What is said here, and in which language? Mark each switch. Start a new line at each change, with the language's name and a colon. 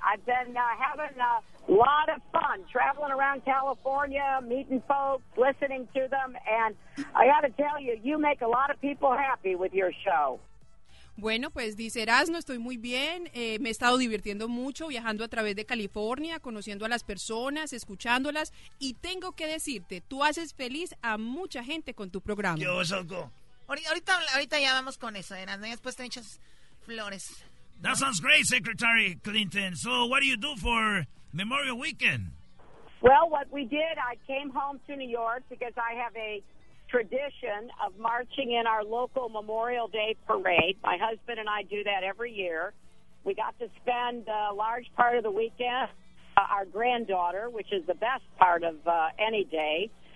English: I've been having a lot of fun traveling around California, meeting folks, listening to them, and I got to tell you, you make a lot of people happy with your show.
Spanish: Bueno, pues dice Erasmo, estoy muy bien, me he estado divirtiendo mucho viajando a través de California, conociendo a las personas, escuchándolas, y tengo que decirte, tú haces feliz a mucha gente con tu programa. Yo, Choco. Ahorita ya vamos con eso, Erasmo, y después te echas flores.
English: That sounds great, Secretary Clinton. So what do you do for Memorial Weekend? Well, what we did, I came home to New York because I have a tradition of marching in our local Memorial Day parade. My husband and I do that every year. We got to spend a large part of the weekend our granddaughter, which is the best part of any day.